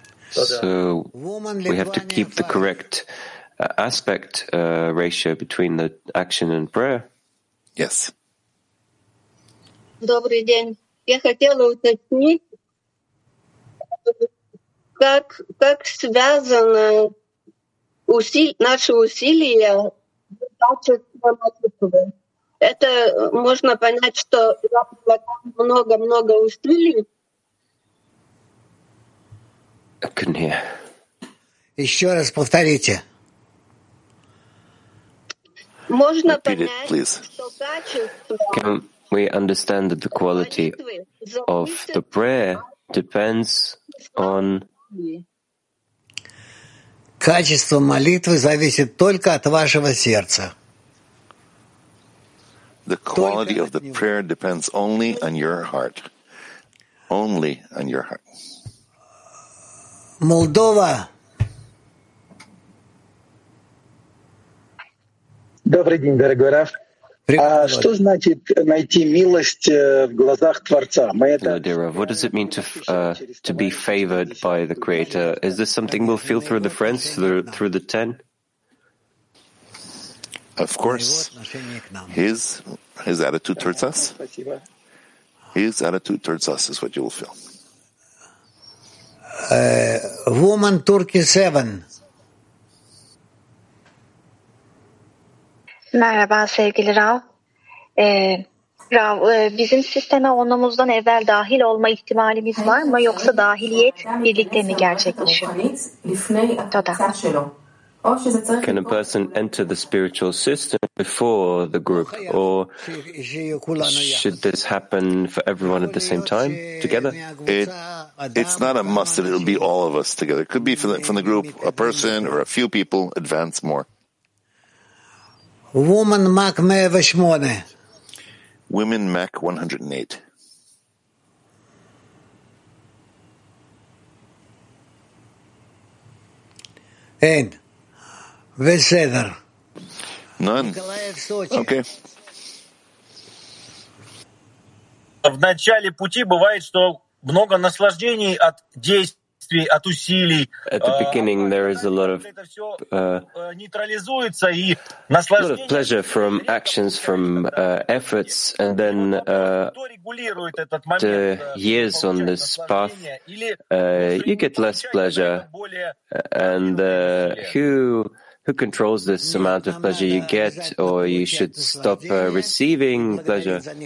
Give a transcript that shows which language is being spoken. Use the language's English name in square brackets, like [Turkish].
[English] So we have to keep the correct aspect ratio between the action and prayer. Yes. [Russian] Добрый день. Я хотела уточнить, как связано наши усилия качеством молитвы. Это можно понять, что я прилагаю много-много усилий. [English] I couldn't hear. [Russian] Еще раз повторите. Можно понять, что качество. [English] Can we understand that the quality of the prayer depends on? [Russian] Качество молитвы зависит только от вашего сердца. [English] The quality of the prayer depends only on your heart. Only on your heart. [Russian] Молдова. Добрый день, дорогой Раф. А что значит найти милость в глазах Творца? [English] Hello, dear Rav. What does it mean to be favored by the Creator? Is this something we'll feel through the friends, through the ten? Of course. His attitude towards us. His attitude towards us is what you will feel. Woman Turkey 7. [Turkish] Merhaba sevgili Rav. Rav, bizim sisteme onumuzdan evvel dahil olma ihtimalimiz var mı, yoksa dahiliyet birlikte mi gerçekleşiyor? [Hebrew] Toda. [English] Can a person enter the spiritual system before the group, or should this happen for everyone at the same time, together? It's not a must that it'll be all of us together. It could be from the group, a person or a few people advance more. Woman Mac 108. Women Mac 108. And. [Hebrew] Veseder. [English] None. Okay. [Russian] В начале пути бывает, что много наслаждений от действий, от усилий. [English] At the beginning there is a lot of [Russian] нейтрализуется и наслаждение. [English] Pleasure from actions, from efforts, and then the years on this path, you get less pleasure, and who controls this amount of pleasure you get, or you should stop receiving pleasure?